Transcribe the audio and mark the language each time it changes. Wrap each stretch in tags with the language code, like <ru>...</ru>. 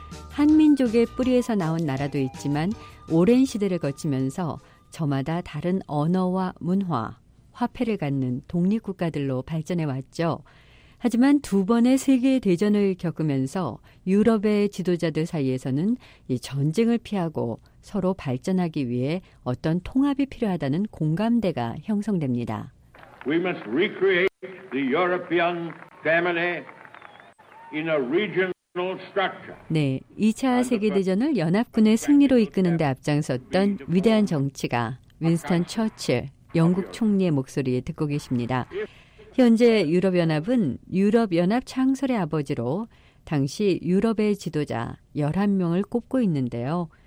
<ko>한민족의 뿌리에서 나온 나라도 있지만 오랜 시대를 거치면서 저마다 다른 언어와 문화, 화폐를 갖는 독립국가들로 발전해 왔죠. 하지만 두 번의 세계 대전을 겪으면서 유럽의 지도자들 사이에서는 이 전쟁을 피하고 서로 발전하기 위해 어떤 통합이 필요하다는 공감대가 형성됩니다.</ko> <en>We must recreate the European family in a region.</en> <ko>네, 2차 세계대전을 연합군의 승리로 이끄는 데 앞장섰던 위대한 정치가 윈스턴 처칠, 영국 총리의 목소리에 듣고 계십니다. 현재 유럽연합은 유럽연합 창설의 아버지로 당시 유럽의 지도자 11명을 꼽고 있는데요.</ko>